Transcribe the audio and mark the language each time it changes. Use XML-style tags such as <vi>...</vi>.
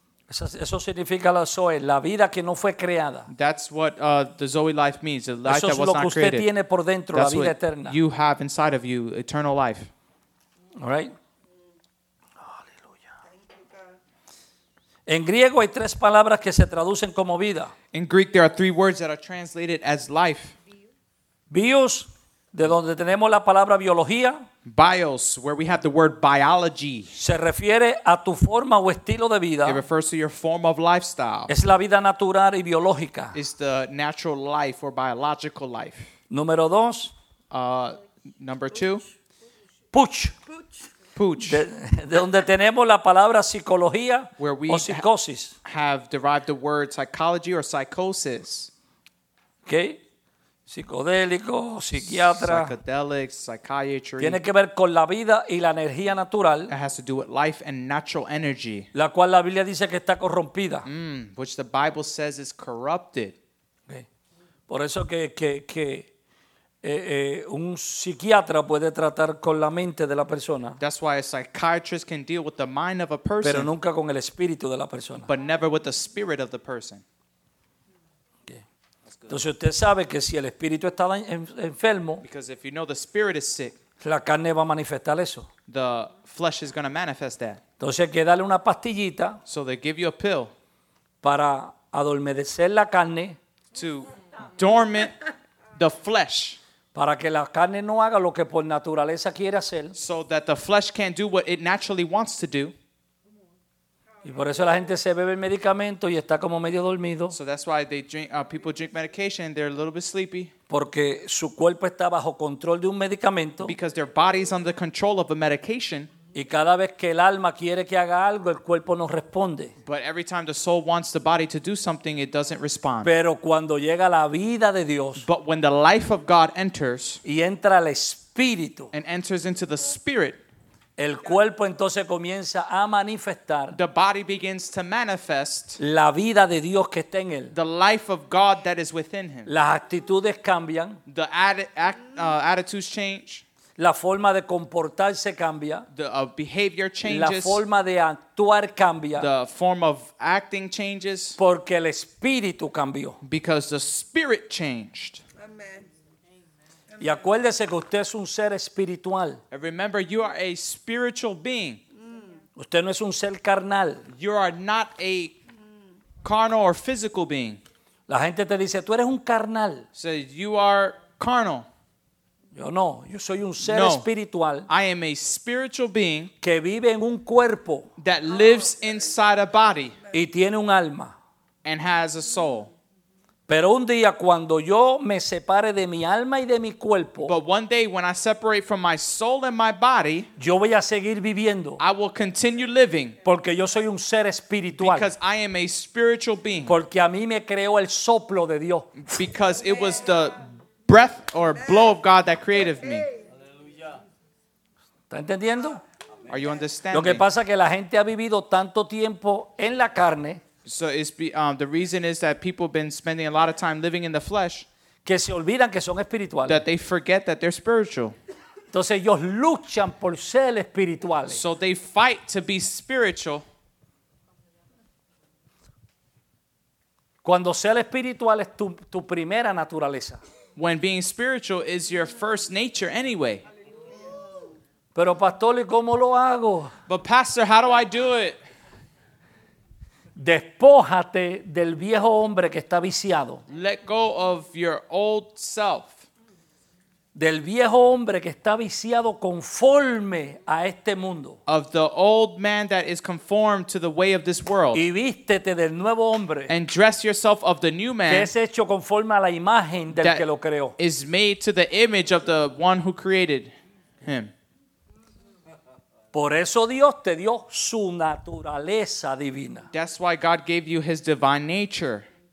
<es>Eso significa la Zoe, la vida que no fue creada.</es> <en>That's what the Zoe life means, the life</en> <es>eso es</es> <en>that was</en> <es>lo que</es> <en>not</en> <es>usted</es> <en>created.</en> <es>Tiene por dentro,</es> <en>that's</en> <es>la vida</es> <en>what</en> <es>eterna.</es> <en>You have inside of you, eternal life. All right?</en> <es>En griego hay tres palabras que se traducen como vida.</es> <en>In Greek there are three words that are translated as life.</en> <es>Bios, de donde tenemos la palabra biología.</es> <en>Bios, where we have the word biology.</en> <es>Se refiere a tu forma o estilo de vida.</es> <en>It refers to your form of lifestyle.</en> <es>Es la vida natural y biológica.</es> <en>It's the natural life or biological life.</en> <es>Número dos.</es> <en>Number two. Pooch. Pooch.</en> <es>De donde tenemos la palabra psicología</es> <en>where we</en> <es>o psicosis.</es> <en>Have derived the word psychology or psychosis.</en> <es>Okay. Psicodélico, psiquiatra.</es> <en>Psychedelics, psychiatry.</en> <es>Tiene que ver con la vida y la energía natural.</es> <en>It has to do with life and natural energy.</en> <es>La cual la Biblia dice que está corrompida.</es> <en>Which the Bible says is corrupted. Okay.</en> <es>Por eso que un psiquiatra puede tratar con la mente de la persona.</es> <en>That's why a psychiatrist can deal with the mind of a person.</en> <es>Pero nunca con el espíritu de la persona.</es> <en>But never with the spirit of the person.</en> <es>Entonces usted sabe que si el espíritu está enfermo,</es> <en>because if you know the spirit is sick,</en> <es>la carne va a manifestar eso.</es> <en>The flesh is going to manifest that.</en> <es>Entonces hay que darle una pastillita,</es> <en>so they give you a pill,</en> <es>para adormecer la carne,</es> <en>to dormant the flesh,</en> <es>para que la carne no haga lo que por naturaleza quiere hacer,</es> <en>so that the flesh can't do what it naturally wants to do.</en> <es>Y por eso la gente se bebe el medicamento y está como medio dormido.</es> <en>So that's why they drink, people drink medication and they're a little bit sleepy.</en> <es>Porque su cuerpo está bajo control de un medicamento.</es> <en>Because their body is under control of a medication.</en> <es>Y cada vez que el alma quiere que haga algo, el cuerpo no responde.</es> <en>But every time the soul wants the body to do something, it doesn't respond.</en> <es>Pero cuando llega la vida de Dios.</es> <en>But when the life of God enters.</en> <es>Y entra el espíritu.</es> <en>And enters into the spirit.</en> <es>El cuerpo entonces comienza a manifestar</es> <en>the body begins to manifest</en> <es>la vida de Dios que está en él.</es> <en>The life of God that is within him.</en> <es>Las actitudes cambian.</es> <en>The attitudes change.</en> <es>La forma de comportarse cambia.</es> <en>The behavior changes.</en> <es>La forma de actuar cambia.</es> <en>The form of acting changes.</en> <es>Porque el espíritu cambió.</es> <en>Because the spirit changed.</en> <es>Y acuérdese que usted es un ser espiritual.</es> <en>And remember, you are a spiritual being.</en> <es>Usted no es un ser carnal.</es> <en>You are not a carnal or physical being.</en> <es>La gente te dice, tú eres un carnal.</es> <en>So you are carnal.</en> <es>Yo no, yo soy un ser espiritual.</es> <en>I am a spiritual being</en> <es>que vive en un cuerpo</es> <en>that lives inside a body</en> <es>y tiene un alma</es> <en>and has a soul.</en> <es>Pero un día cuando yo me separe de mi alma y de mi cuerpo,</es> <en>but one day when I separate from my soul and my body,</en> <es>yo voy a seguir viviendo.</es> <en>I will continue living.</en> <es>Porque yo soy un ser espiritual.</es> <en>Because I am a spiritual being.</en> <es>Porque a mí me creó el soplo de Dios.</es> <en>Because it was the breath or blow of God that created me.</en> <es>Aleluya. ¿Está entendiendo?</es> <en>Are you understanding?</en> <es>Lo que pasa es que la gente ha vivido tanto tiempo en la carne.</es> <en>So it's the reason is that people have been spending a lot of time living in the flesh.</en> <es>Que se olvidan que son espirituales.</es> <en>That they forget that they're spiritual.</en> <es>Entonces ellos luchan por ser espirituales.</es> <en>So they fight to be spiritual.</en> <es>Cuando ser espiritual es tu primera naturaleza.</es> <en>When being spiritual is your first nature anyway.</en> <es>Pero pastor, ¿y cómo lo hago?</es> <en>But pastor, how do I do it?</en> <es>Despójate del viejo hombre que está viciado.</es> <en>Let go of your old self.</en> <es>Del viejo hombre que está viciado conforme a este mundo.</es> <en>Of the old man that is conformed to the way of this world.</en> <es>Y vístete del nuevo hombre.</es> <en>And dress yourself of the new man.</en> <es>Que es hecho conforme a la imagen del que lo creó.</es> <en>Is made to the image of the one who created him.</en> <es>Por eso Dios te dio su naturaleza divina.</es> <en>That's why God gave you his divine nature.</en>